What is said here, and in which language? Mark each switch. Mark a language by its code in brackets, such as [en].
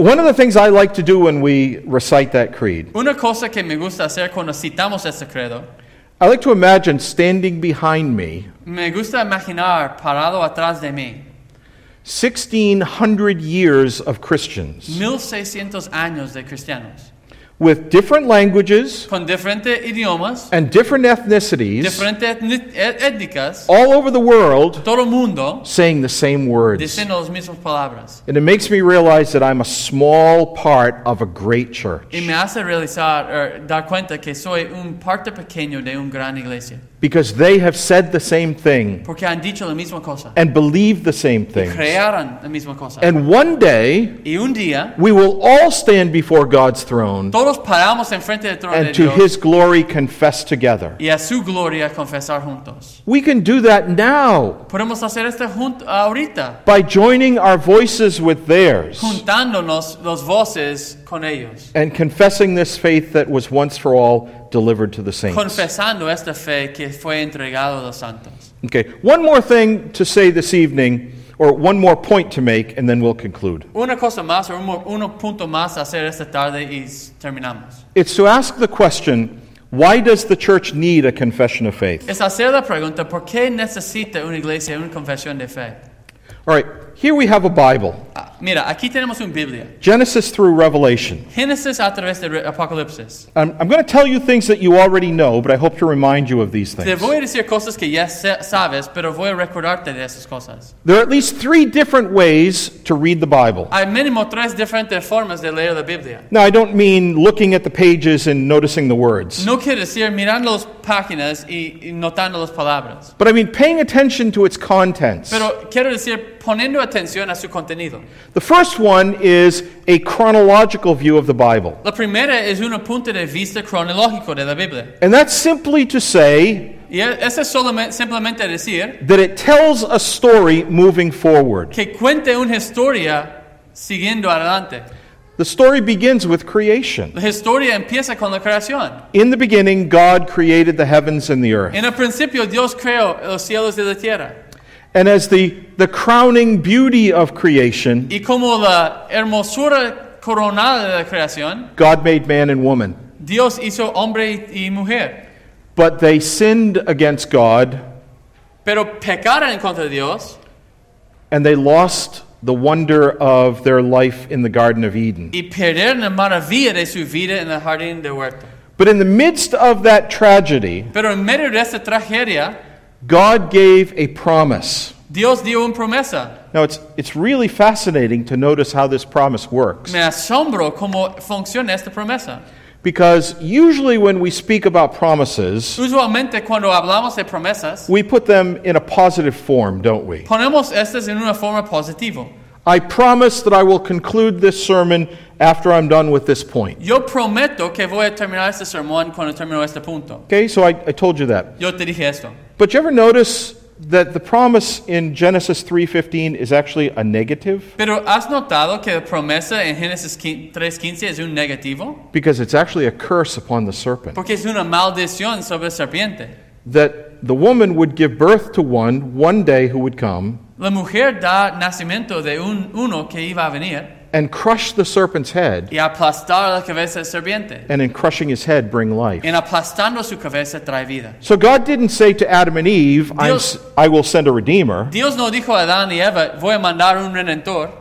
[en] One of the things I like to do when we recite that creed. [es] Una cosa que me gusta hacer cuando citamos ese credo. [en] I like to imagine standing behind me. [es] Me gusta imaginar parado atrás de mí. [en] 1600 years of Christians. [es] 1600 años de cristianos. [en] With different languages. [es] Con diferentes idiomas. [en] And different ethnicities. [es] Diferentes étnicas. [en] All over the world. [es] Todo mundo. [en] Saying the same words. [es] Diciendo las mismas palabras. [en] And it makes me realize that I'm a small part of a great church. [es] Y me hace realizar dar cuenta que soy un parte pequeño de una gran iglesia. [en] Because they have said the same thing. [es] Porque han dicho la misma cosa. [en] And believe the same things. [es] Y crearon la misma cosa. [en] And one day. [es] Y un día. [en] We will all stand before God's throne. [es] Todos paramos en frente del trono [en] and [es] de [en] to [es] Dios. [en] His glory confess together. [es] Y a su gloria confesar juntos. [en] We can do that now. [es] Podemos hacer esto ahorita. [en] By joining our voices with theirs. [es] Juntándonos los voces con ellos. [en] And confessing this faith that was once for all delivered to the saints. [es] Confesando esta fe que fue entregado a los santos. [en] Okay, one more thing to say this evening, or one more point to make, and then we'll conclude. [es] Una cosa más, o un punto más a hacer esta tarde y terminamos. [en] It's to ask the question, why does the church need a confession of faith? [es] Es hacer la pregunta, ¿por qué necesita una iglesia una confesión de fe? [en] All right, here we have a Bible. [es] Mira, aquí tenemos una Biblia. [en] Genesis through Revelation. [es] Genesis a través de Apocalipsis. [en] I'm going to tell you things that you already know, but I hope to remind you of these things. [es] Te voy a decir cosas que ya sabes, pero voy a recordarte de esas cosas. [en] There are at least three different ways to read the Bible. [es] Hay mínimo tres diferentes formas de leer la Biblia. [en] Now, I don't mean looking at the pages and noticing the words. [es] No quiero decir mirando las páginas y notando las palabras. [en] But I mean paying attention to its contents. [es] Pero quiero decir poniendo atención a su contenido. [en] The first one is a chronological view of the Bible. [es] La primera es un punto de vista cronológico de la Biblia. [en] And that's simply to say [es] Y eso es simplemente decir [en] that it tells a story moving forward. [es] Que cuente una historia siguiendo adelante. [en] The story begins with creation. [es] La historia empieza con la creación. [en] In the beginning, God created the heavens and the earth. [es] En el principio, Dios creó los cielos y la tierra. [en] And as the crowning beauty of creation, [es] y como la hermosura coronada de la creación, [en] God made man and woman. [es] Dios hizo hombre y mujer. [en] But they sinned against God. [es] Pero pecaron contra Dios. [en] And they lost the wonder of their life in the Garden of Eden. [es] Y perdieron la maravilla de su vida en el jardín del huerto. [en] But in the midst of that tragedy, [es] pero en medio de esa tragedia, [en] God gave a promise. [es] Dios dio una promesa. [en] Now it's really fascinating to notice how this promise works. [es] Me asombro cómo funciona esta promesa. [en] Because usually when we speak about promises, [es] usualmente cuando hablamos de promesas, [en] we put them in a positive form, don't we? [es] Ponemos estas en una forma positiva. [en] I promise that I will conclude this sermon after I'm done with this point. [es] Yo prometo que voy a terminar este sermón cuando termino este punto. [en] Okay, so I told you that. [es] Yo te dije esto. [en] But you ever notice that the promise in Genesis 3:15 is actually a negative? [es] Pero has notado que la promesa en Genesis 3:15 es un negativo? [en] Because it's actually a curse upon the serpent. [es] Porque es una maldición sobre la serpiente. [en] That the woman would give birth to one day who would come. [es] La mujer da nacimiento de uno que iba a venir. [en] And crush the serpent's head. [es] Y aplastar la cabeza del serpiente. [en] And in crushing his head, bring life. [es] En aplastando su cabeza, trae vida. [en] So God didn't say to Adam and Eve, I will send a redeemer. [es] Dios no dijo a Adán y Eva, voy a mandar un redentor.